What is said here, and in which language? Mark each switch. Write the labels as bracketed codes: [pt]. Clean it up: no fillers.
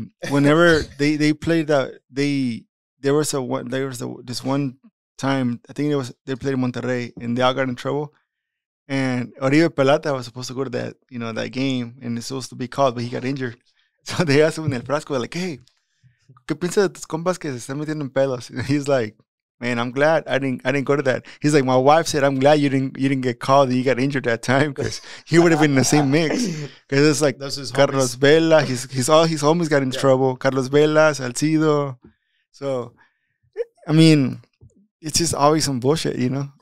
[en] Whenever they played that, there was this one time, I think it was they played in Monterrey and they all got in trouble. And Oribe Peralta was supposed to go to that, you know, that game and it's supposed to be called, but he got injured. So they asked him in El Frasco, like, hey. [es] ¿Qué piensas de tus compas que se están metiendo en pelos? [en] And he's like, man, I'm glad I didn't go to that. He's like, my wife said, I'm glad you didn't get called and you got injured that time because he would have been in the same mix. Because it's like Carlos Vela, he's all his homies got in trouble. Carlos Vela, Salcido. So, I mean, it's just always some bullshit, you know?